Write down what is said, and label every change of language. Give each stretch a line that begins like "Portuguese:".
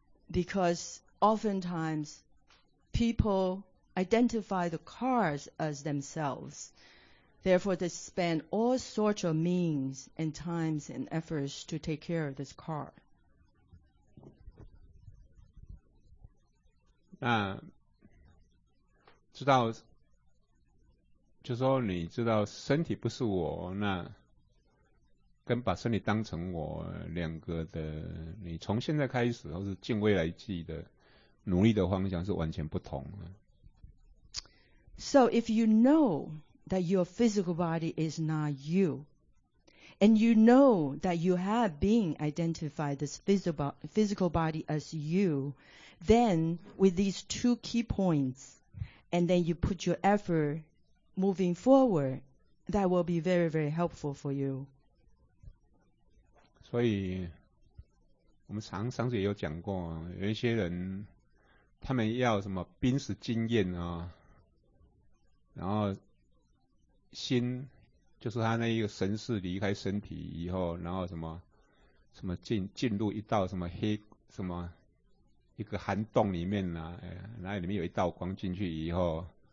English: Because oftentimes people identify the cars as themselves. Therefore, they spend all sorts of means and times and efforts to take care of this car.
Chinese: 那知道，就说你知道身体不是我，那跟把身体当成我两个的，你从现在开始或是近未来记的努力的方向是完全不同的。
English: So if you know that your physical body is not you, and you know that you have been identified this physical body as you, then with these two key points, and then you put your effort moving forward, that will be very, very helpful for you.
Chinese: 所以我们常上次也有讲过，有一些人他们要什么濒死经验啊，然后心就是他那一个神识离开身体以后，然后什么什么进入一道什么黑什么一个寒洞里面啊、哎、然后里面有一道光进去以后，